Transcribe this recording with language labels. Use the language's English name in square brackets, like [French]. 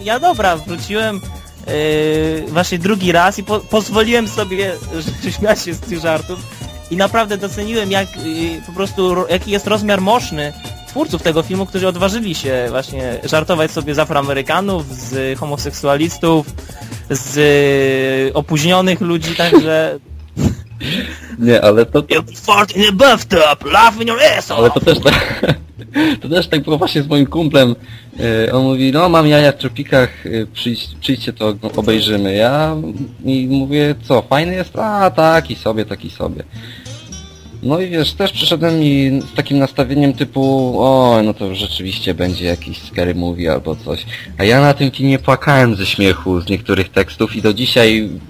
[Polish] Ja dobra, wróciłem właśnie drugi raz i pozwoliłem sobie śmiać się z tych żartów. I naprawdę doceniłem, jak po prostu jaki jest rozmiar mocny twórców tego filmu, którzy odważyli się właśnie żartować sobie z Afroamerykanów, z homoseksualistów, z opóźnionych ludzi, także... Nie, ale to... [English] You fart in a bathtub, laugh in your ass off! [Polish] Ale to też tak było właśnie z moim kumplem. On mówi, no mam jaja w tropikach, przyjdźcie to obejrzymy. Ja i mówię, co, fajny jest? A, taki sobie, taki sobie. No i wiesz, też przyszedłem i z takim nastawieniem typu, o, no to rzeczywiście będzie jakiś scary movie albo coś. A ja na tym filmie płakałem ze śmiechu z niektórych tekstów i do dzisiaj